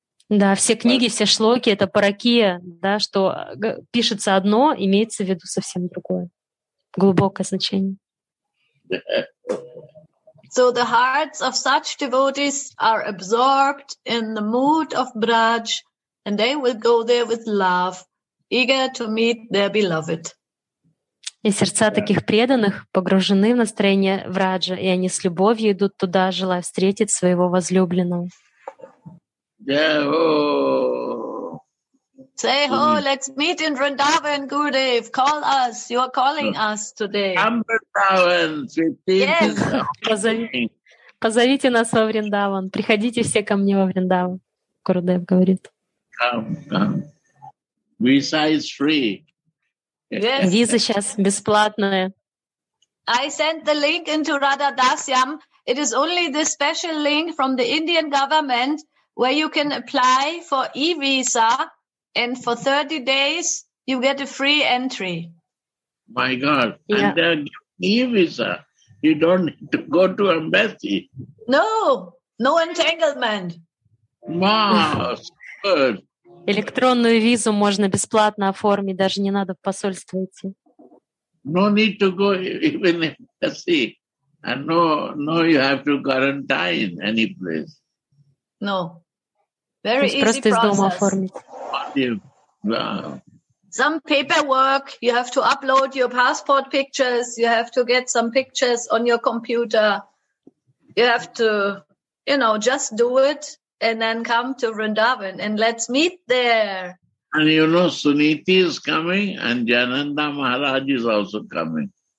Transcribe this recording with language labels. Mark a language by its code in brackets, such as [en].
[ru] Да, все книги, все шлоки — это паракия, да, что пишется одно, имеется в виду совсем другое, глубокое значение. [en] So the hearts of such devotees are absorbed in the mood of Braj, and they will go there with love, eager to meet their beloved. [ru] И сердца таких преданных погружены в настроение враджа, и они с любовью идут туда, желая встретить своего возлюбленного. [en] Yeah, oh. Say ho, oh, let's meet in Vrindavan, Gurudev. Call us, you are calling us today. Vrindavan, yes. [ru] Позовите нас во Вриндаван. Приходите все ко мне во Вриндаван, Гурудев говорит. [en] Come. Visa is free. Yes. [ru] Виза сейчас бесплатная. [en] I sent the link into Radha Dasyam. It is only this special link from the Indian government where you can apply for e-visa and for 30 days you get a free entry. My God. Yeah. And they give e-visa. You don't need to go to embassy. No. No entanglement. Wow. Good. [ru] Электронную визу можно бесплатно оформить, даже не надо в посольство идти. [en] No need to go even in the sea. And no, you have to quarantine any place. No. Very easy [ru] просто [en] process. [ru] Просто из дома оформить. [en] Some paperwork, you have to upload your passport pictures, you have to get some pictures on your computer. You have to, you know, just do it. And then come to Vrindavan and let's meet there. And you know, Suniti is coming and Jananda Maharaj is also coming.